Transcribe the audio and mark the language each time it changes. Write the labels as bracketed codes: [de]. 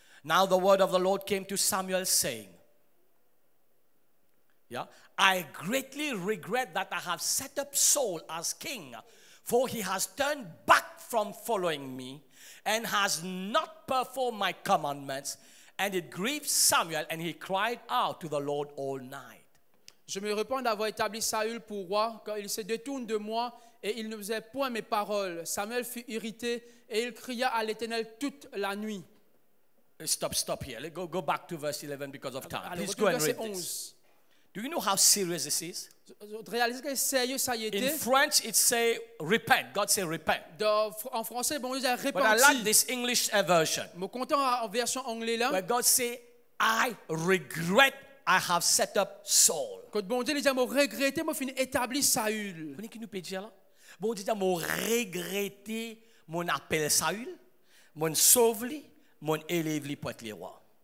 [en] Now the word of the Lord came to Samuel saying, I greatly regret that I have set up Saul as king, for he has turned back from following me and has not performed my commandments. And it grieved Samuel, and he cried out to the Lord all night. [fr] Je me repens d'avoir établi Saül pour roi, quand il se détourne de moi et il ne faisait point mes paroles. Samuel fut irrité et il cria à l'Éternel toute la nuit. [en] Stop here. Let's go back to verse 11 because of time. Please go and read this. Do you know how serious this is? [fr] Réalisez que sérieux ça y était. [en] In French, it says repent. God says repent. [fr] En français, bon Dieu dit repent. [en] But I like this English version. [fr] Me content en version anglais là. [en] Where God says, I regret I have set up Saul. [fr] Bon Dieu, j'ai regretté mon fin établi Saül. Vous voyez qui nous peut dire là? Bon Dieu, j'ai regretté mon appel Saül, mon sauve-li, mon élève-li pour être le roi.